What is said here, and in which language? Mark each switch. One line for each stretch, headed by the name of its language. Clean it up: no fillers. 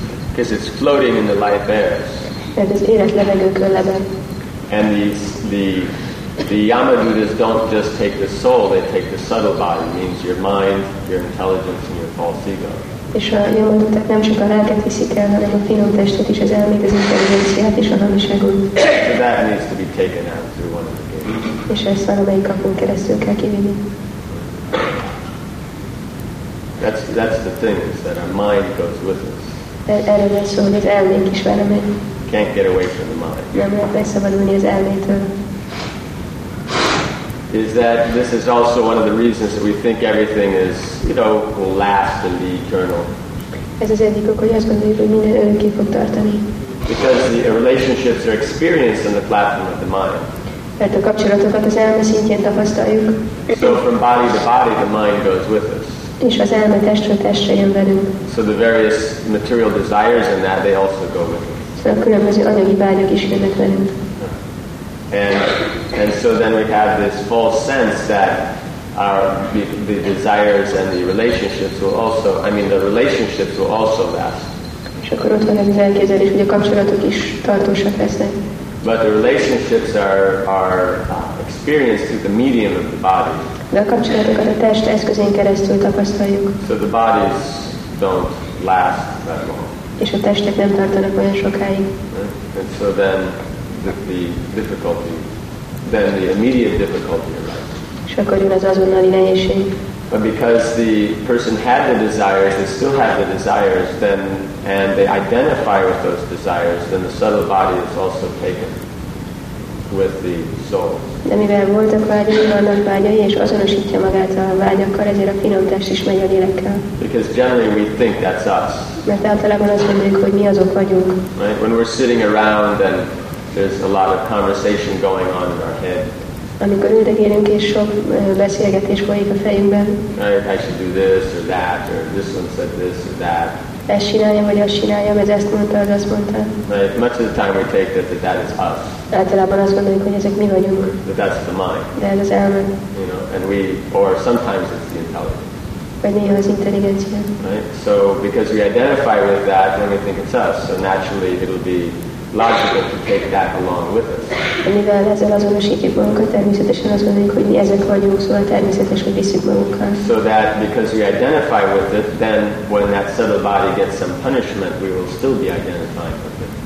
English: Because it's floating in the light airs. And the Yamadutas don't just take the soul, they take the subtle body, means your mind, your intelligence, and your false ego.
Hungarian: És a jelmondották nem csak a lelket viszik el, hanem a finom testet is, az elmét, az intelligenciát és a hamiságot.
English: So that needs to be taken out through one of the gates.
Hungarian: És ezt valamelyik kapunk keresztül kell kivinni.
English: That's the thing, is that our mind goes with us.
Hungarian: Erről lesz szó, hogy az elménk is vele megy.
English: Can't get away from the mind.
Hungarian: Nem lehet megszabadulni az elmétől.
English: Is that this is also one of the reasons that we think everything is, you know, will last and be eternal.
Hungarian: Ez az egyik ok, hogy azt gondoljuk, hogy minden örökké fog tartani.
English: Because the relationships are experienced on the platform of the mind.
Hungarian: Mert a kapcsolatokat az elme szintjén tapasztaljuk.
English: So from body to body, the mind goes with us.
Hungarian: És az elme testről testre jön velünk.
English: So the various material desires in that, they also go with us.
Hungarian: Szóval különböző anyagi vágyak is jönnek velünk.
English: And so then we have this false sense that the desires and the relationships will also, I mean the relationships will also last.
Hungarian: És akkor ott van ez az elképzelés, hogy a kapcsolatok is tartósak lesznek.
English: But the relationships are experienced through the medium of the body.
Hungarian: De a kapcsolatokat a test eszközén keresztül tapasztaljuk.
English: So the bodies don't last that long.
Hungarian: És a testek nem tartanak olyan sokáig.
English: And so then the difficulty, then the immediate difficulty arises.
Hungarian: És akkor jön az azonnali nehézség.
English: But because the person had the desires, they still have the desires, then and they identify with those desires, then the subtle body is also taken with the soul.
Hungarian: De mivel voltak vágyai, vannak vágyai, és azonosítja magát a vágyakkal, ezért a finom test is megy a lélekkel.
English: Because generally we think that's us.
Hungarian: Mert általában azt mondjuk, hogy mi azok vagyunk.
English: Right? When we're sitting around and there's a lot of conversation going on in our head.
Hungarian: Amikor üldegélünk és sok beszélgetés folyik a fejünkben.
English: I should do this or that, or this one said this or that.
Hungarian: Ezt csináljam, vagy azt csináljam, ez ezt mondta, az azt mondta.
English: Right. Much of the time we take that is us.
Hungarian: Általában azt gondoljuk, hogy ezek mi vagyunk.
English: But that's the mind.
Hungarian: De ez az elme.
English: You know, and we, or sometimes it's the intelligence.
Hungarian: Vagy néha az intelligencia.
English: Right. So, because we identify with that, then we think it's us. So naturally it'll be logical to take that along with us.
Hungarian: Mivel ezzel azonosítjuk magunkat, természetesen azt gondoljuk, hogy mi ezek vagyunk, szóval természetes, hogy visszük magunkat.
English: So that because we identify with it, then when that subtle body gets some punishment, we will still be identifying with it.